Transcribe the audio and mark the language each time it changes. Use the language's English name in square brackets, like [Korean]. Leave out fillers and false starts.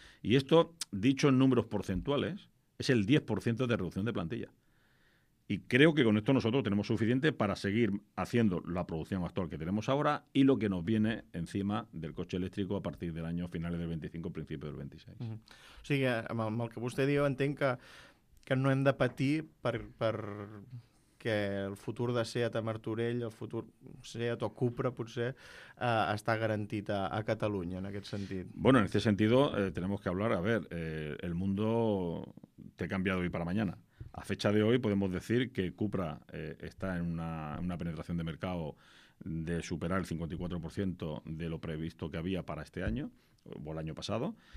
[Spanish] Y esto, dicho en números porcentuales, es el 10% de reducción de plantilla. Y creo que con esto nosotros tenemos suficiente para seguir haciendo la producción actual que tenemos ahora y lo que nos viene encima del coche eléctrico a partir del año finales del 25, principios del 26. [Catalan] Uh-huh. O sigui, amb el que vostè diu, entenc que no hem de patir per que el futur de SEAT a Martorell, el futur SEAT o Cupra, potser, està garantit a Catalunya, en aquest sentit. [Spanish] Bueno, en este sentido, tenemos que hablar, a ver, el mundo te ha cambiado hoy para mañana. A fecha de hoy podemos decir que Cupra está en una penetración de mercado de superar el 54% de lo previsto que había para este año o el año pasado.